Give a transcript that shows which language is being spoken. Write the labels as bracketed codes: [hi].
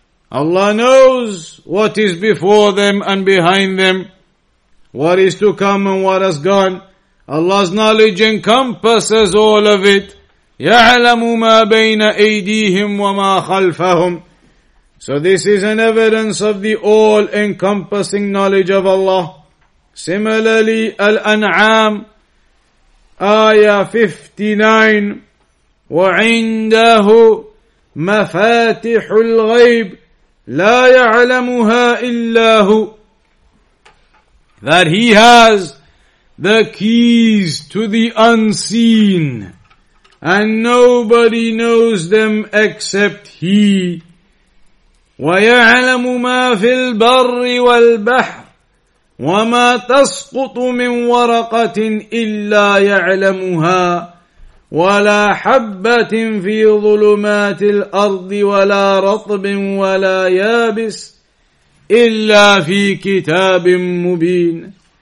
[en] Allah knows what is before them and behind them, what is to come and what has gone. Allah's knowledge encompasses all of it. [ar] يَعْلَمُ مَا بَيْنَ أَيْدِيهِمْ وَمَا خَلْفَهُمْ. [en] So this is an evidence of the all-encompassing knowledge of Allah. Similarly, [ar] Al-An'am, Ayah 59, وَعِنْدَهُ مَفَاتِحُ الْغَيْبِ لَا يَعْلَمُهَا إِلَّا هُ. [en] That he has the keys to the unseen, and nobody knows them except he. [ar] وَيَعْلَمُ مَا فِي الْبَرِّ وَالْبَحْرِ وَمَا تَسْقُطُ مِنْ وَرَقَةٍ إِلَّا يَعْلَمُهَا وَلَا حَبَّةٍ فِي ظُلُمَاتِ الْأَرْضِ وَلَا رَطْبٍ وَلَا يَابِسٍ إِلَّا فِي كِتَابٍ مُبِينٍ.